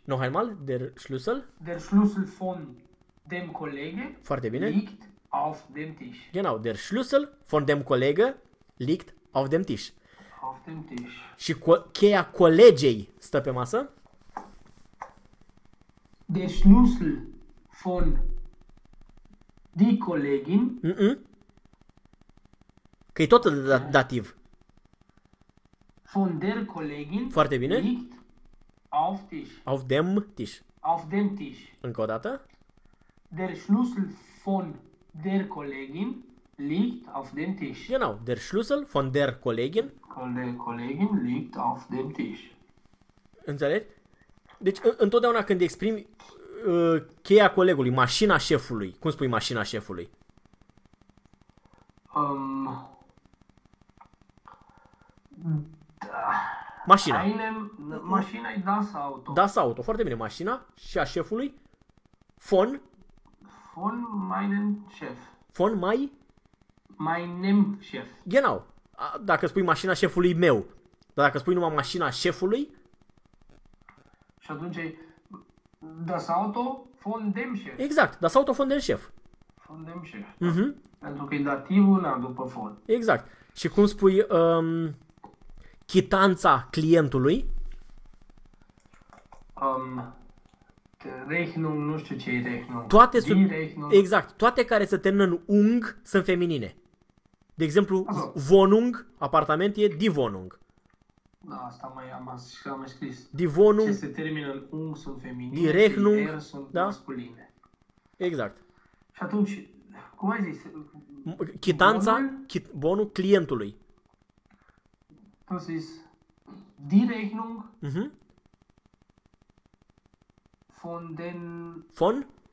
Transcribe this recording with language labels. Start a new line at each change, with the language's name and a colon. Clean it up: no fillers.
German: Noch einmal, der Schlüssel. Der Schlüssel von dem Kollege.
Romanian: Foarte bine.
German: Liegt auf dem Tisch. Genau, der Schlüssel von dem Kollege liegt auf dem Tisch. Auf dem Tisch.
Romanian: Și cheia colegei stă pe masă.
German: Der Schlüssel von die Kollegin.
Romanian: Mm-mm. Că e tot dativ.
German: Von der Kollegin.
Romanian: Foarte bine.
German: Liegt auf Tisch. Auf dem Tisch. Auf dem Tisch.
Romanian: Încă o dată.
German: Der Schlüssel von der Kollegin liegt auf dem Tisch. Genau, der Schlüssel von der Kollegin. Der Kollegin liegt auf dem Tisch.
Romanian: Înțelegi? Deci întotdeauna când exprimi cheia colegului, mașina șefului, cum spui mașina șefului? Da. Mașina. Mașina e
German: Das Auto. Das Auto,
Romanian: foarte bine. Mașina și a șefului. Von.
German: Von meinem Chef. Von mai? Meinem Chef. Genau.
Romanian: Dacă spui mașina șefului meu. Dar dacă spui numai mașina șefului. Și atunci e
German: Das Auto von dem Chef. Exact. Das Auto von dem Chef. Von dem Chef. Uh-huh.
Romanian: Pentru că e dativul, na, după von. Exact. Și cum spui... chitanța clientului. Rechnung, nu știu ce e rechnung. Toate sunt, exact, toate care se termină în ung sunt feminine. De exemplu, asta.
German: Wohnung,
Romanian: apartament, e
German: die Wohnung.
Romanian: Da, asta mai am mai scris.
German: Die Wohnung.
Romanian: Ce se termină în ung sunt feminine,
German: die Rechnung,
Romanian: die sunt, da? Masculine. Exact. Și atunci, cum ai zis? Chitanța, bonul clientului.
German: Das ist die Rechnung von den